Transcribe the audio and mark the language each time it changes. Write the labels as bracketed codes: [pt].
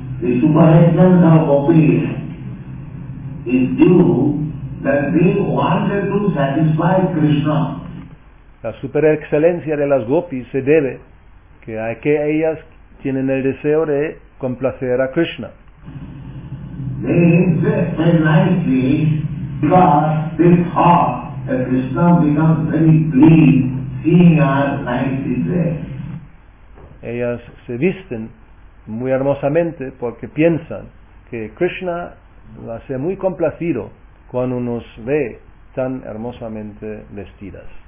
[en] The superessence of gopis is due that they wanted to satisfy Krishna. [es] La superexcelencia de las gopis se debe que a que ellas tienen el deseo de complacer a Krishna. [en] They exist very nicely because they thought that Krishna becomes very pleased seeing us nicely dressed. [es] Ellas se visten muy hermosamente porque piensan que Krishna va a ser muy complacido cuando nos ve tan hermosamente vestidas.